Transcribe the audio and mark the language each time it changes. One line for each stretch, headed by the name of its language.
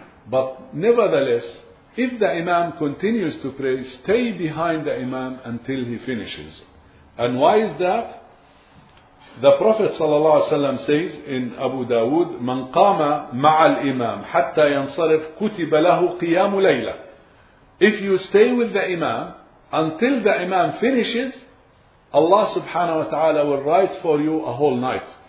English: But nevertheless, if the imam continues to pray, stay behind the imam until he finishes. And why is that? The Prophet ﷺ says in Abu Dawood,
Arabic: مَنْ قَامَ مَعَ الْإِمَامِ حَتَّى يَنْصَرِفْ كُتِبَ لَهُ قِيَامُ لَيْلَةِ.
English: If you stay with the Imam until the Imam finishes, Allah subhanahu wa ta'ala will write for you a whole night.